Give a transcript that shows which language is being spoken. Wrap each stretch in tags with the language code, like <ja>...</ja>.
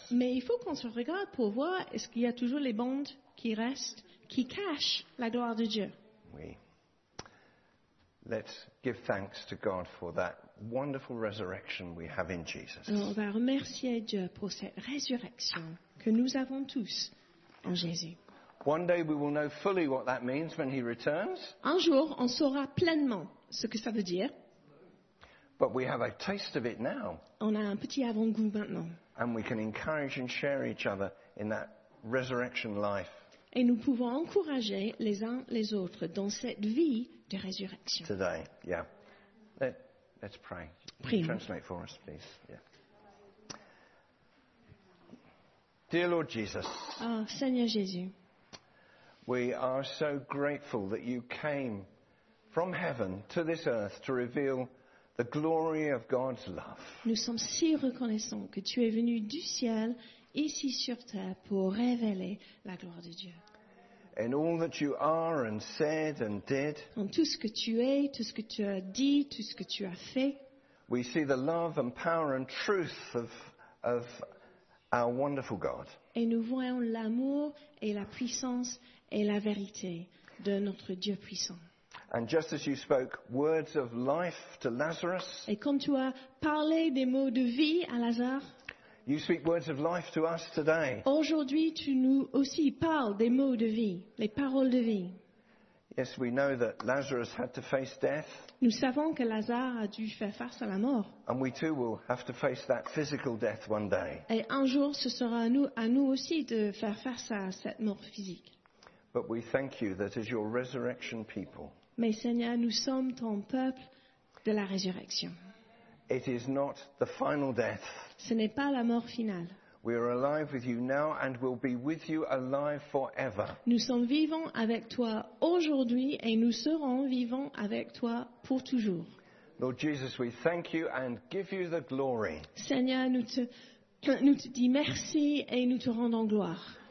<fr>Mais il faut qu'on se regarde pour voir est-ce qu'il y a toujours les bandes qui restent, qui cachent la gloire de Dieu.</fr> <en>Oui. Let's give thanks to God for that wonderful resurrection we have in Jesus.</en> <fr>On va remercier Dieu pour cette résurrection que nous avons tous en Jésus.</fr> <en>One day we will know fully what that means when he returns.</en> <fr>Un jour, on saura pleinement ce que ça veut dire.</fr> <en>But we have a taste of it now.</en> <fr>On a un petit avant-goût maintenant.</fr> <en>And we can encourage and share each other in that resurrection life.</en> <fr>Et nous pouvons encourager les uns les autres dans cette vie de résurrection.</fr> <en>Today, yeah. Let's pray.</en> <fr>Prions.</fr> <en>Translate for us, please. Yeah. Dear Lord Jesus.</en> <fr>Oh, Seigneur Jésus.</fr> <en>We are so grateful that you came from heaven to this earth to reveal the glory of God's love.</en> <fr>Nous sommes si reconnaissants que tu es venu du ciel ici sur terre pour révéler la gloire de Dieu.</fr> <en>In all that you are and said and did.</en> <fr>En tout ce que tu es, tout ce que tu as dit, tout ce que tu as fait.</fr> <en>We see the love and power and truth of our wonderful God.</en> <fr>Et nous voyons l'amour et la puissance et la vérité de notre Dieu puissant.</fr> <en>And just as you spoke words of life to Lazarus,</en> <fr>et comme tu as parlé des mots de vie à Lazare,</fr> <en>you speak words of life to us today.</en> <fr>Aujourd'hui, tu nous aussi parles des mots de vie, les paroles de vie.</fr> <en>Yes, we know that Lazarus had to face death.</en> <fr>Nous savons que Lazare a dû faire face à la mort.</fr> <en>And we too will have to face that physical death one day.</en> <fr>Et un jour, ce sera à nous aussi de faire face à cette mort physique.</fr> <en>But we thank you that as your resurrection people.</en> <fr>Mais Seigneur, nous sommes ton peuple de la résurrection.</fr> <en>It is not the final death.</en> <fr>Ce n'est pas la mort finale.</fr> <en>We are alive with you now and will be with you alive forever.</en> <fr>Nous sommes vivants avec toi aujourd'hui et nous serons vivants avec toi pour toujours.</fr> <en>Lord Jesus, we thank you and give you the glory.</en> <fr>Seigneur, nous te disons merci et nous te rendons gloire.</fr>